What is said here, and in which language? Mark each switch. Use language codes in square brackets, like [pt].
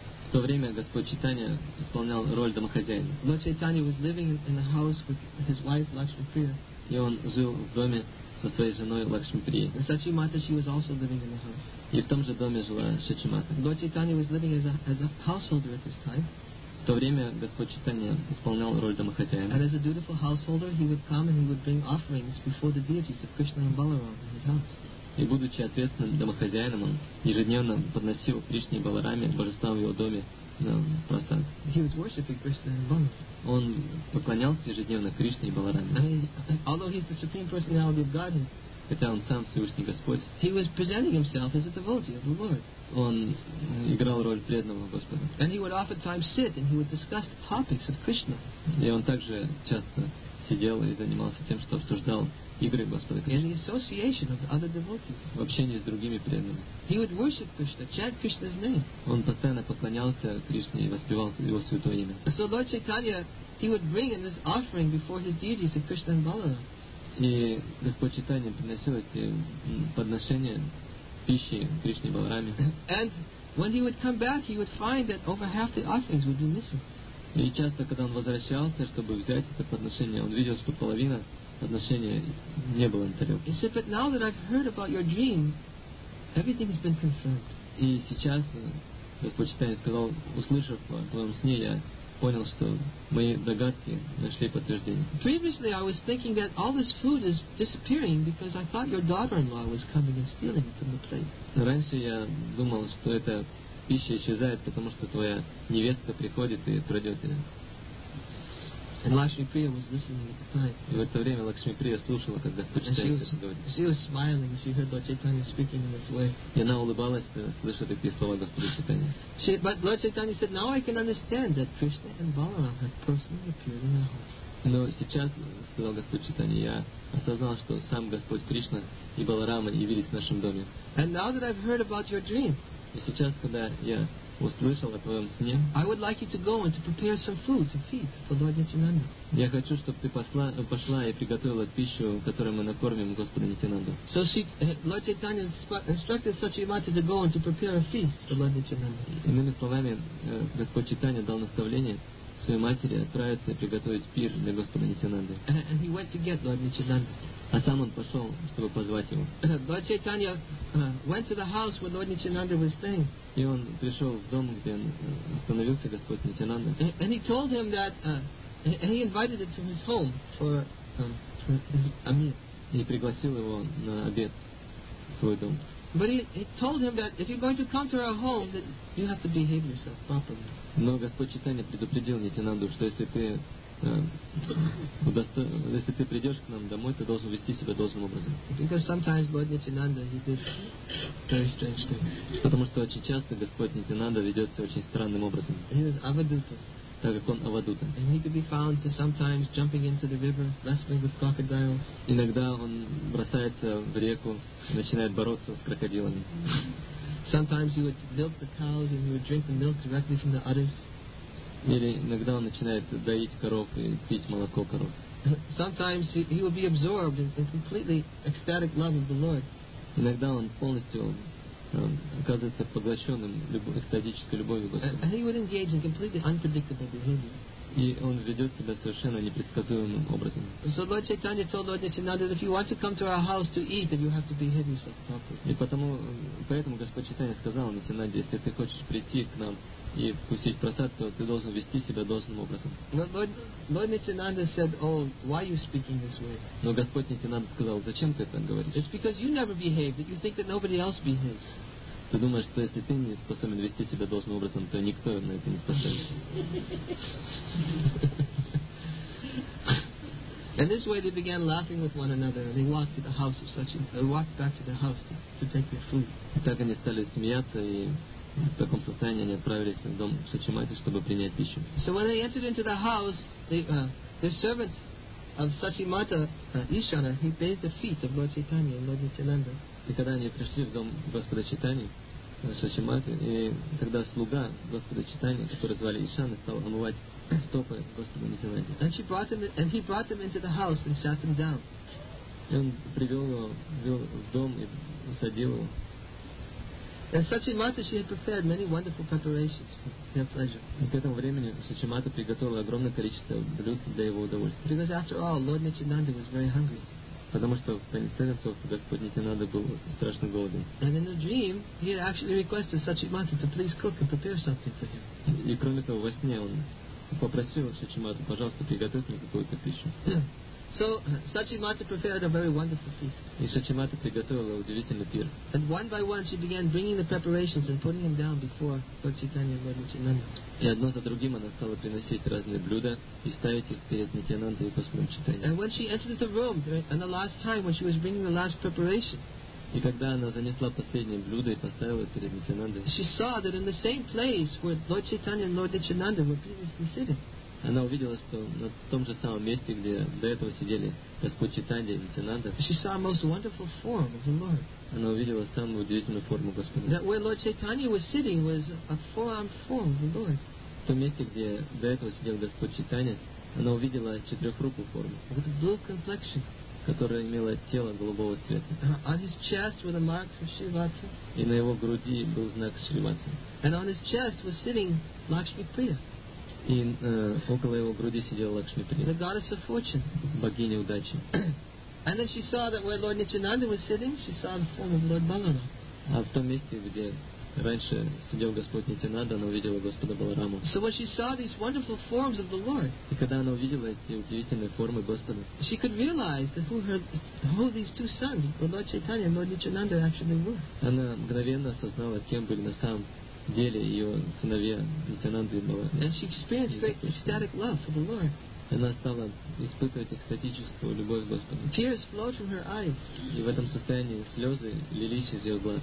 [ru] В то время Господь Чайтанья исполнял роль домохозяина. [en] Lord Chaitanya was living in a house with his wife Lakshmi Priya. [ru] И он жил в доме со своей женой Лакшми Прия. [en] And Сачимата, she was also living in the house. [ru] И в том же доме жила Сачимата. [en] Lord Chaitanya was living as a householder at this time. [ru] В то время Господь Чайтанья исполнял роль домохозяина. [en] And as a dutiful householder, he would come and he would bring offerings before the deities of Krishna and Balaram in his house. [ru] И будучи ответственным домохозяином, он ежедневно подносил Кришне и Балараме, божествам в его доме, просад. [en] He was worshiping Krishna and Balaram. [ru] Он поклонялся ежедневно Кришне и Балараме. [en] Although he's the Supreme Personality of Godhead, [ru] хотя он сам Всевышний Господь, [en] he was presenting himself as a devotee of the Lord. [ru] Он играл роль преданного Господа. [en] And he would oftentimes sit and he would discuss the topics of Krishna. [ru] И он также часто сидел и занимался тем, что обсуждал игры Господа Кришны. [en] In the association of other devotees. [ru] В общении с другими преданными. [en] He would worship Krishna, chant Krishna's name. [ru] Он постоянно поклонялся Кришне и воспевал его святое имя. [en] So Lord Chaitanya, he would bring in this offering before his deities of Krishna and Balaram. [ru] И Господь Чайтанья приносил эти подношения пищи Кришне и Балараме. [en] And when he would come back, he would find that over half the offerings would be missing. [ru] И часто, когда он возвращался, чтобы взять это подношение, он видел, что половина подношения не было на тарелке. [en] He said, but now that I've heard about your dream, everything has been confirmed. [ru] И сейчас Господь Читание сказал, услышав о твоем сне, я понял, что мои догадки нашли подтверждение. [en] Previously I was thinking that all this food is disappearing because I thought your daughter-in-law was coming and stealing from the plate. [ru] Раньше я думал, что эта пища исчезает, потому что твоя невестка приходит и крадет ее. [en] And Lakshmi Priya was listening at the time. [ru] И в это время Лакшми Прия слушала, как Господь Читание говорит. [en] She was smiling, she heard Lord Chaitanya speaking in this way. [ru] И она улыбалась, слыша такие слова Господа Читания. [en] But Lord Chaitanya said, now I can understand that Krishna and Balaram have personally appeared in our home. [ru] Но сейчас, сказал Господь Читания, я осознал, что сам Господь Кришна и Баларама явились в нашем доме. [en] And now that I've heard about your dream, [ru] и сейчас, когда я услышал о твоем сне, [en] I would like you to go and to prepare some food to feed for Lord Nityananda. [ru] Я хочу, чтобы ты пошла и приготовила пищу, которую мы накормим Господа Нитянанду. [en] So Lord Chaitanya instructed Сачимати to go and to prepare a feast for Lord Nityananda. [ru] Иными словами, Господь Читания дал наставление своей матери отправиться и приготовить пир для Господа Нитянанды. [en] And he went to get Lord Nityananda. [ru] А сам он пошел, чтобы позвать его. [en] Lord Chaitanya went to the house where Lord Nityananda was staying. [ru] И он пришел в дом, где остановился Господь Нитянанда. [en] And he told him that he invited him to his home for a meal. [ru] И пригласил его на обед в свой дом. [en] But he told him that if you're going to come to our home, that you have to behave yourself properly. [ru] Но Господь Читания предупредил Нитянанду, что если ты придешь к нам домой, ты должен вести себя должным образом. [en] Because sometimes Lord Nityananda, he did very strange things. [ru] Потому что очень часто Господь Нитянанда ведет себя очень странным образом. [en] He was avaduta. [ru] Так как он авадута. [en] And he could be found to sometimes jumping into the river, wrestling with crocodiles. [ru] Иногда он бросается в реку, начинает бороться с крокодилами. [en] Sometimes he would milk the cows and he would drink the milk directly from the udders. [ru] Или иногда он начинает доить коров и пить молоко коров. [en] Sometimes he will be absorbed in completely ecstatic love of the Lord. [ru] Иногда он полностью оказывается поглощенным экстатической любовью Господа. [en] And he would engage in completely unpredictable behavior. [ru] И он ведет себя совершенно непредсказуемым образом. [en] So Lord Chaitanya told Lord Nityananda that if you want to come to our house to eat, then you have to behave yourself properly. [ru] И поэтому Господь Читания сказал Нитянанде, если ты хочешь прийти к нам и вкусить просад, то ты должен вести себя должным образом. [en] Lord Nityananda said, oh, why are you speaking this way? [ru] Но Господь Нитянанда сказал, зачем ты это говоришь? [en] It's because you never behave, that you think that nobody else behaves. [ru] Ты думаешь, что если ты не способен вести себя должным образом, то никто на это не способен. [en] In this way they began laughing with one another and they walked to the house of Sachin, walked back to the house to take their food. [ru] И так они стали смеяться, и в таком состоянии они отправились в дом Сачимати, чтобы принять пищу. [en] So when they entered into the house, their servant of Сачимата, Ишана, he bathed the feet of Lord Chaitanya and Lord Nityananda. [ru] И когда они пришли в дом Господа Читания, Сачимати, и тогда слуга Господа Читания, которого звали Ишана, стал омывать стопы Господа Нитянанды. [en] And he brought them into the house and sat them down. [ru] И он привел его в дом и усадил его. [en] And Сачимати, she had prepared many wonderful preparations for their pleasure. [ru] К этому времени Сачимати приготовила огромное количество блюд для его удовольствия. [en] Because after all, Lord Nityananda was very hungry. [ru] Потому что, в конце концов, Господь Нитянанда был страшно голоден. [en] And in the dream, he had actually requested Сачимати to please cook and prepare something for him. [ru] И кроме того, во сне он попросил Сачимати, пожалуйста, приготовь мне какую-то пищу. [en] So, Сачимати prepared a very wonderful feast. [ru] И Сачимати приготовила удивительный пир. [en] And one by one she began bringing the preparations and putting them down before Lord Chaitanya and Lord Nityananda. [ru] И одно за другим она стала приносить разные блюда и ставить их перед Нитянандой и Господом Читанием. [en] And when she entered the room, and the last time when she was bringing the last preparation, [ru] и когда она занесла последнее блюдо и поставила перед Нитянандой, [en] she saw that in the same place where Lord Chaitanya and Lord Nityananda were previously sitting, [ru] она увидела, что на том же самом месте, где до этого сидели Господь Читанья и Нитянанда, [en] she saw a most wonderful form of the Lord. [ru] Она увидела самую удивительную форму Господа. [en] That where Lord Chaitanya was sitting was a four-arm form of the Lord. [ru] В том месте, где до этого сидел Господь Читанья, она увидела четырехрукую форму. [en] With a blue complexion. [ru] Которая имела тело голубого цвета. [en] On his chest were the marks of Shrivatsa. [ru] И на его груди был знак Шривацы. [en] And on his chest was sitting Lakshmi Priya. [ru] И около его груди сидела Лакшми Прия. [en] The goddess of fortune. [ru] Богиня удачи. [en] And then she saw that where Lord Nityananda was sitting, she saw the form of Lord Balarama. [ru] А в том месте, где раньше сидел Господь Нитянанда, она увидела Господа Баларама. [en] So when she saw these wonderful forms of the Lord, [ru] и когда она увидела эти удивительные формы Господа, [en] she could realize that who these two sons, Lord Chaitanya and Lord Nityananda, actually were. [ru] Она мгновенно осознала, кем были на самом деле ее сыновья Нитянанда и Баларама. [en] And she experienced great ecstatic love for the Lord. [ru] Она стала испытывать экстатическую любовь к Господу. [en] Tears flowed from her eyes. [ru] И в этом состоянии слезы лились из ее глаз.